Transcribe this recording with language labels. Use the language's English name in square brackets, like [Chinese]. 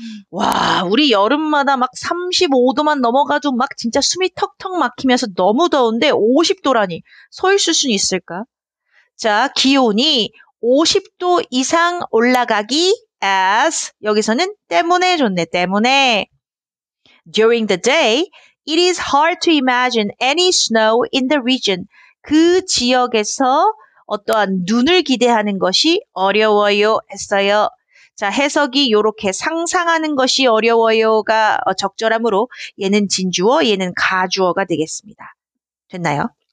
[Korean] 와, 우리 여름마다 막 35도만 넘어가도 막 진짜 숨이 턱턱 막히면서 너무 더운데 50도라니 서 있을 순 있을까? 자, 기온이 50도 이상 올라가기 as 여기서는 때문에 좋네, 때문에. [English] During the day, it is hard to imagine any snow in the region. [Korean] 그 지역에서 어떠한 눈을 기대하는 것이 어려워요 했어요. 자, 해석이 요렇게 상상하는 것이 어려워요가 적절함으로 얘는 진주어, 얘는 가주어가 되겠습니다. 됐나요?